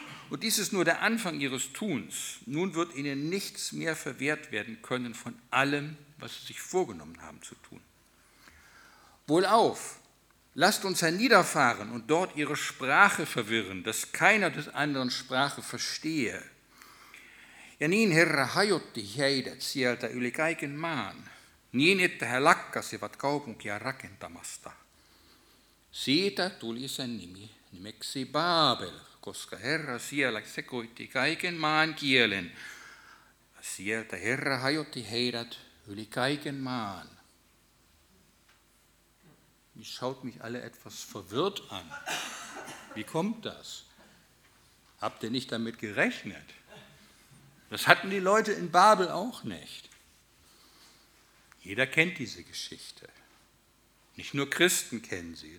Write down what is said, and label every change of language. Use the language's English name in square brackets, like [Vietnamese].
[German] Und dies ist nur der Anfang ihres Tuns. Nun wird ihnen nichts mehr verwehrt werden können von allem, was sie sich vorgenommen haben zu tun. Wohlauf, lasst uns herniederfahren und dort ihre Sprache verwirren, dass keiner des anderen Sprache verstehe. [Finnish] Janin herra hajotti heidät sieltä yli kaiken maan, niin että he lakkasivat kaupunkia rakentamasta. Siitä tuli sen nimi, nimeksi Babel. Koska Herra siellä sekoitti kaiken maan kielen. Sieltä Herra hajotti heidät yli kaiken maan. [German] Ihr schaut mich alle etwas verwirrt an. Wie kommt das? Habt ihr nicht damit gerechnet? Das hatten die Leute in Babel auch nicht. Jeder kennt diese Geschichte. Nicht nur Christen kennen sie.